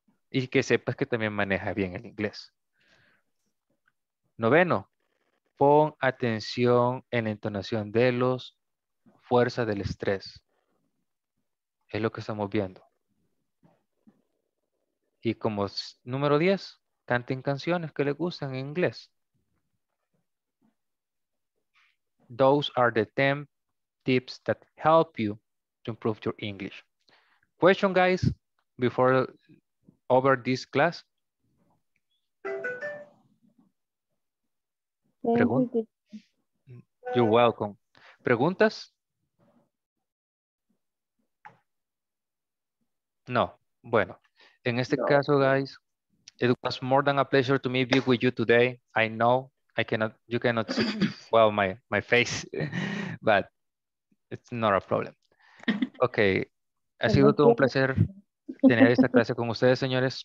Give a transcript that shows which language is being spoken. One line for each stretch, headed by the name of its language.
Spanish: Y que sepas que también maneja bien el inglés. Noveno, pon atención en la entonación de los fuerzas del estrés. Es lo que estamos viendo. Y como número 10, canten canciones que les gustan en inglés.
English: Those are the 10 tips that help you to improve your English. Question, guys, before over this class.
Spanish: Pregunta.
English: You're welcome.
Spanish: ¿Preguntas? No. Bueno, en este caso,
English: guys, it was more than a pleasure to be with you today. I know. You cannot see well my face, but it's not a problem.
Spanish: Okay, ha sido todo un placer tener esta clase con ustedes, señores.